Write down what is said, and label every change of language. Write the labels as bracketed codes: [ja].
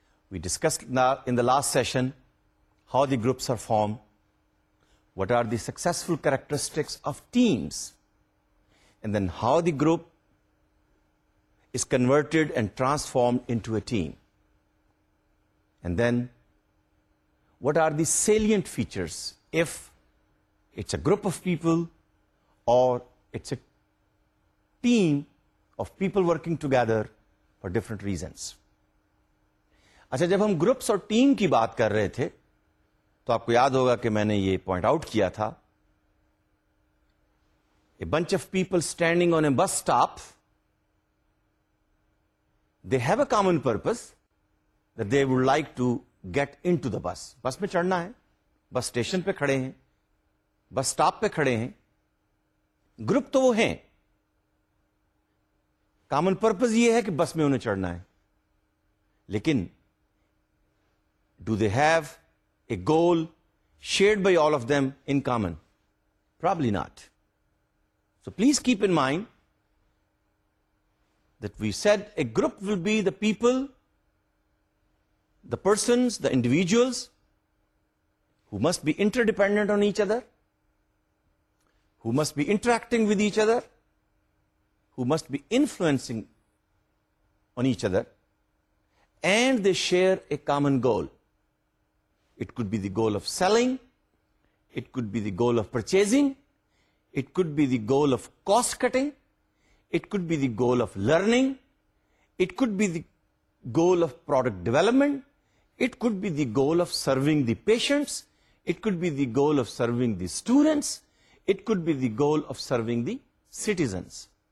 [en] We discussed in the last session how the groups are formed, what are the successful characteristics of teams, and then how the group is converted and transformed into a team. And then what are the salient features if it's a group of people or it's a team of people working together for different reasons. [ur] اچھا جب ہم groups اور team کی بات کر رہے تھے تو آپ کو یاد ہوگا کہ میں نے یہ پوائنٹ آؤٹ کیا تھا. [en] A bunch of people standing on a bus stop they have a common purpose that they would like to get into the bus. [ur] بس میں چڑھنا ہے, بس اسٹیشن پہ کھڑے ہیں, بس اسٹاپ پہ کھڑے ہیں, گروپ تو وہ ہیں, کامن پرپز یہ ہے کہ بس میں انہیں چڑھنا ہے. [en] لیکن do they have a goal shared by all of them in common? Probably not. So please keep in mind that we said a group will be the people, the persons, the individuals who must be interdependent on each other, who must be interacting with each other, who must be influencing on each other, and they share a common goal. It could be the goal of selling, it could be the goal of purchasing, it could be the goal of cost cutting, it could be the goal of learning, it could be the goal of product development, it could be the goal of serving the patients, it could be the goal of serving the students, it could be the goal of serving the citizens.